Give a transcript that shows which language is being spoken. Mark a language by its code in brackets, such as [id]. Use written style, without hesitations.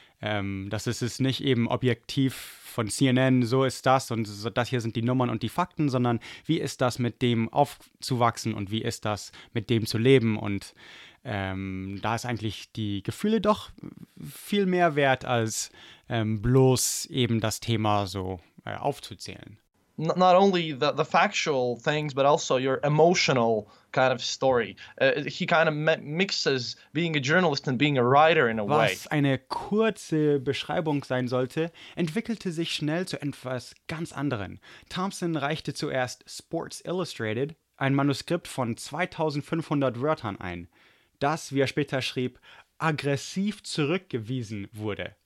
[de] Das ist es nicht eben objektiv von CNN, so ist das und so, das hier sind die Nummern und die Fakten, sondern wie ist das mit dem aufzuwachsen und wie ist das mit dem zu leben und da ist eigentlich die Gefühle doch viel mehr wert als bloß eben das Thema so aufzuzählen. [en] Not only the factual things, but also your emotional kind of story. He kind of mixes being a journalist and being a writer in a [de] Was [en] way. [de] Was eine kurze Beschreibung sein sollte, entwickelte sich schnell zu etwas ganz anderem. Thompson reichte zuerst Sports Illustrated, ein Manuskript von 2500 Wörtern ein, das, wie er später schrieb, aggressiv zurückgewiesen wurde.